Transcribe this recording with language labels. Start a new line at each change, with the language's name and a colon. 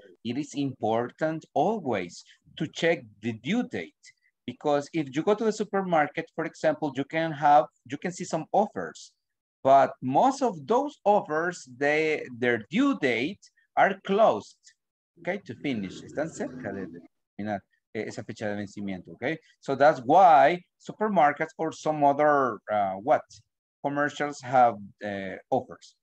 English: It is important always to check the due date. Because if you go to the supermarket, for example, you can see some offers. But most of those offers, their due date are closed. Okay, to finish.
Spanish: Están cerca de terminar esa fecha de vencimiento, okay?
English: So that's why supermarkets or some other commercials have offers.